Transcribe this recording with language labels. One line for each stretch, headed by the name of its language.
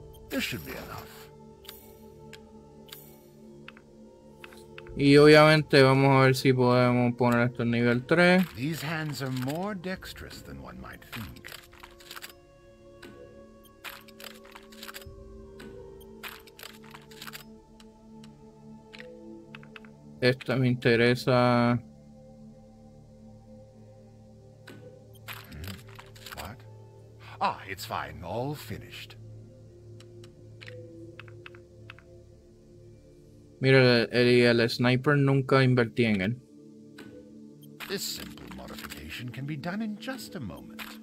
English: This should be enough.
Spanish: Y obviamente vamos a ver si podemos poner esto en nivel 3.
English: These hands are more dexterous than one might think.
Spanish: Esta me interesa.
English: What? Ah, it's fine, all finished.
Spanish: Mira, el sniper nunca invertí en él.
English: This simple modification can be done in just a moment.